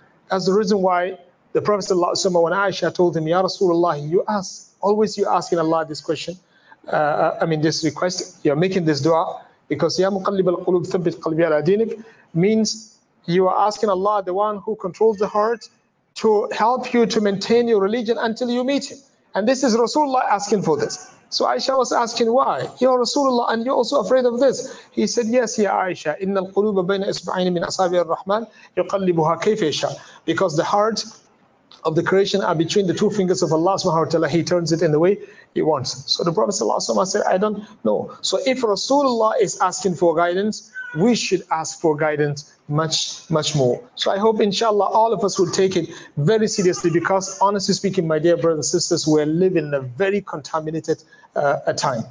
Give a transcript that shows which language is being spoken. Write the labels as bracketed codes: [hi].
[en] That's the reason why the Prophet sallallahu alayhi wa sallam, when Aisha told him, Ya Rasulullah, you ask, always you asking Allah this question, this request, you're making this dua, because Ya muqallib al-qulub thabbit qalbi ala dinik, means you are asking Allah, the one who controls the heart, to help you to maintain your religion until you meet him. And this is Rasulullah asking for this. So Aisha was asking, why? You're Rasulullah and you're also afraid of this. He said, yes, [ar] Ya Aisha, إِنَّ الْقُلُوبَ بَيْنَ إِسْبَعَيْنِ مِنْ أَصَابِي الرَّحْمَنِ يُقَلِّبُهَا كَيْفَ يَشَى. [en] Because the heart of the creation are between the two fingers of Allah subhanahu wa ta'ala. He turns it in the way he wants. So the Prophet sallallahu alayhi wa sallam said, I don't know. So if Rasulullah is asking for guidance, we should ask for guidance much, much more. So I hope inshallah all of us will take it very seriously, because honestly speaking, my dear brothers and sisters, we're living in a very contaminated time.